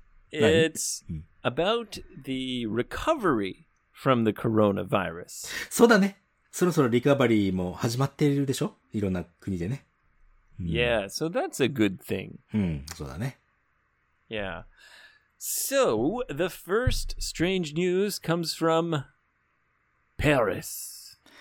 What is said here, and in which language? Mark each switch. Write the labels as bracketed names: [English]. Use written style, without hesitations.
[English] It's about the recovery from the coronavirus. [Japanese] そうだね。そろそろリカバリーも始まってるでしょ? いろんな国でね。 [English] Yeah, so that's a good thing. [Japanese] うん、そうだね。 [English] Yeah. So, the first strange news comes from Paris.